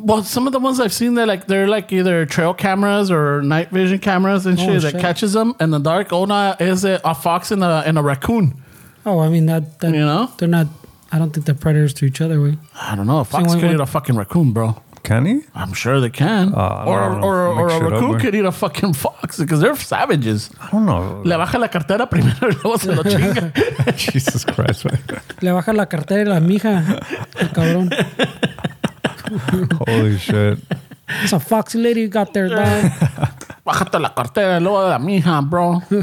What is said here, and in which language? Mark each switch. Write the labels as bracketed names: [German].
[English] Well, some of the ones I've seen, they're like either trail cameras or night vision cameras and shit that catches them in the dark. Oh, no, is it a fox and a raccoon? Oh, I mean, that you know? They're not... I don't think they're predators to each other. I don't know. A fox could eat a fucking raccoon, bro. Can he? I'm sure they can. Or a raccoon could eat a fucking fox because they're savages. I don't know. [Spanish] Le baja la cartera primero y luego se lo chinga. [English] Jesus Christ. [Spanish] Le baja la cartera y la mija. Cabrón. [English] Holy shit. It's a foxy lady you got there, man. [Spanish] Bájate la cartera y luego la mija, bro.